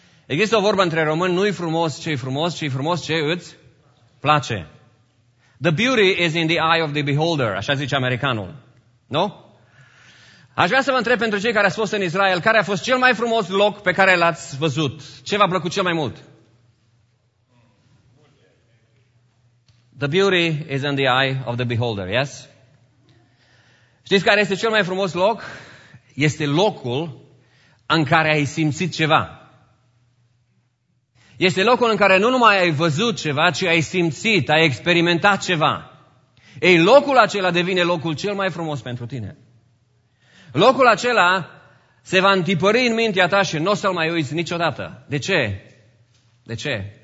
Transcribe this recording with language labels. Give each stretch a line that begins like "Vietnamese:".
Romanian: Există o vorbă între români: nu-i frumos ce-i frumos, ci-i frumos ce îți place.
English: The beauty is in the eye of the beholder,
Romanian: așa zice americanul, nu? Aș vrea să vă întreb pentru cei care ați fost în Israel, care a fost cel mai frumos loc pe care l-ați văzut? Ce v-a plăcut cel mai mult?
English: The beauty is in the eye of the beholder, yes?
Romanian: Știți care este cel mai frumos loc? Este locul în care ai simțit ceva. Este locul în care nu numai ai văzut ceva, ci ai simțit, ai experimentat ceva. Ei, locul acela devine locul cel mai frumos pentru tine. Locul acela se va întipări în mintea ta și nu o să-l mai uiți niciodată. De ce? De ce?